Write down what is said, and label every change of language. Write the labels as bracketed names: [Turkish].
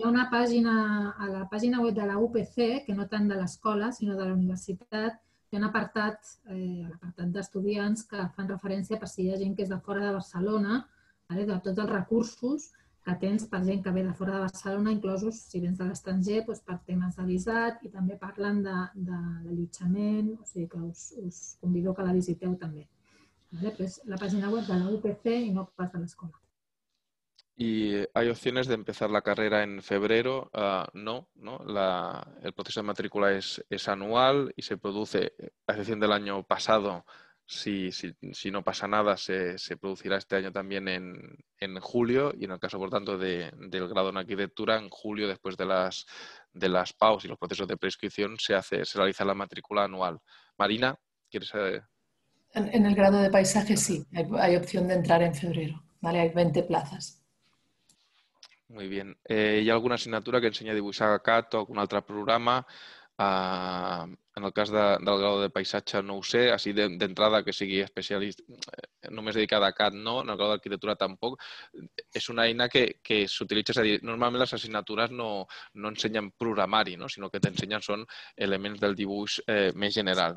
[Catalan] Hi ha una pàgina a la pàgina web de la UPC, que no tant de l'escola, sinó de la universitat, hi ha un apartat, l'apartat d'estudiants, que fan referència per si hi ha gent que és de fora de Barcelona, vale, de tots els recursos que tens per gent que ve de fora de Barcelona, inclosos si vens de l'estranger, doncs per temes de visat, i també parlen de l'allotjament, o sigui que us convido que la visiteu també. Després, la pàgina web de la UPC i no pas de l'escola. [Spanish] ¿Y hay opciones de empezar la carrera en febrero? No. El proceso de matrícula es anual y se produce, a excepción del año pasado, si no pasa nada, se producirá este año también en julio, y en el caso, por tanto, del grado en arquitectura, en julio, después de las PAUs y los procesos de preinscripción, se realiza la matrícula anual. Marina, ¿quieres saber? En el grado de paisaje, sí, hay opción de entrar en febrero, ¿vale? Hay 20 plazas. Muy bien. ¿Hay alguna asignatura que enseñe a dibuixar a CAT o algún otro programa? [Catalan] En el cas del grau de paisatge no ho sé, així d'entrada que sigui especialista, només dedicada a CAD no, en el grau d'arquitectura tampoc. És una eina que s'utilitza, és a dir, normalment les assignatures no ensenyen programari, sinó que t'ensenyen són elements del dibuix més general.